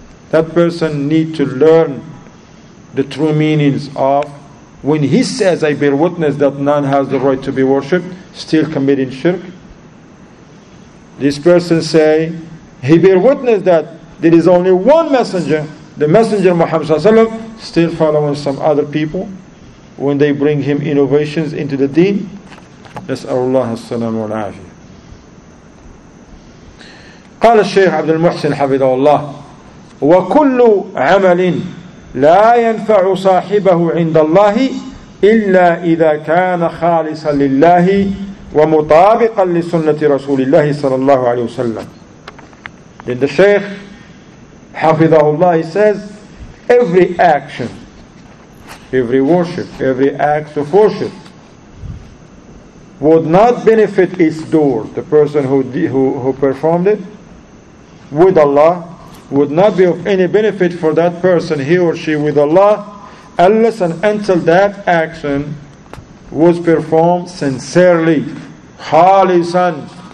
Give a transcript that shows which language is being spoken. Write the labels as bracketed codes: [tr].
[en] That person need to learn the true meanings of when he says, I bear witness that none has the right to be worshipped, still committing shirk. This person say, he bear witness that there is only one messenger, the messenger Muhammad Sallallahu Alaihi Wasallam, still following some other people when they bring him innovations into the deen. [ar] نسأل الله السلام والعافية. قال الشيخ عبد المحسن حفظه الله وكل عمل لا ينفع صاحبه عند الله إلا إذا كان خالصا لله ومطابقا لسنة رسول الله صلى الله عليه وسلم. [en] Then the Shaykh حفظه الله says, every action, every worship, every act of worship would not benefit its door, the person who performed it with Allah, would not be of any benefit for that person, he or she, with Allah, unless and until that action was performed sincerely, khalisan,